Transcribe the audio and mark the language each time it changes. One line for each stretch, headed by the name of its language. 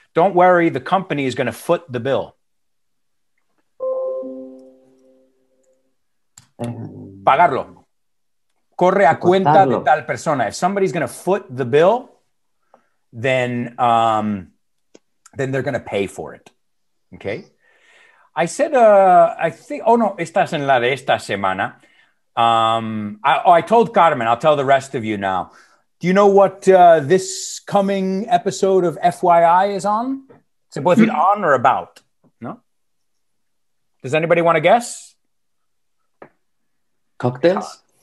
English: Don't worry, the company is going to foot the bill.
Spanish: Pagarlo. Corre a cuenta de tal persona.
English: If somebody's going to foot the bill, then they're going to pay for it. Okay? I said,
Spanish: estás en la de esta semana.
English: I told Carmen, I'll tell the rest of you now. Do you know what this coming episode of FYI is on?
Spanish: Se puede decir
English: on or about, no? Does anybody want to guess? Cocktails?